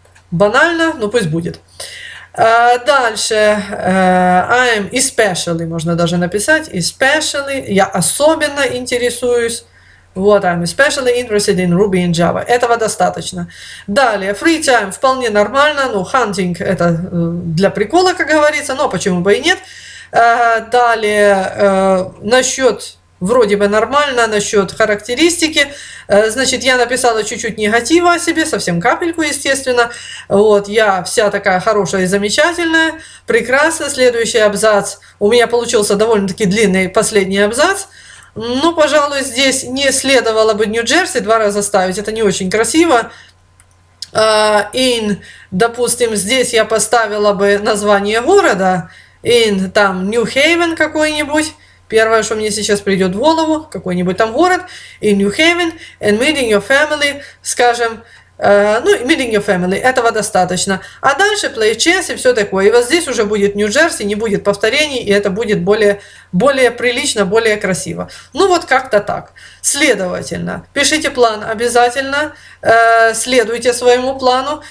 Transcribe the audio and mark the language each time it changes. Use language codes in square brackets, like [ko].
[ru] Банально, но пусть будет. Дальше, [en] I am especially, [ru] можно даже написать, [en] especially, [ru] я особенно интересуюсь. Вот, [en] I'm especially interested in Ruby and Java. [ru] Этого достаточно. Далее, [en] free time, [ru] вполне нормально, ну, [en] hunting, [ru] это для прикола, как говорится, но почему бы и нет. Далее, насчет, вроде бы нормально, насчет характеристики. Значит, я написала чуть-чуть негатива о себе, совсем капельку, естественно. Вот, я вся такая хорошая и замечательная. Прекрасно, следующий абзац. У меня получился довольно-таки длинный последний абзац. Ну, пожалуй, здесь не следовало бы Нью-Джерси два раза ставить, это не очень красиво. In, допустим, здесь я поставила бы название города. In, там, New Haven какой-нибудь. Первое, что мне сейчас придет в голову, какой-нибудь там город. [en] In New Haven, and meeting your family, [ru] скажем. Ну, [en] meeting your family, [ru] этого достаточно. А дальше [en] play chess [ru] и все такое. И вот здесь уже будет Нью-Джерси, не будет повторений, и это будет более прилично, более красиво. Ну, вот как-то так. Следовательно, пишите план обязательно, следуйте своему плану.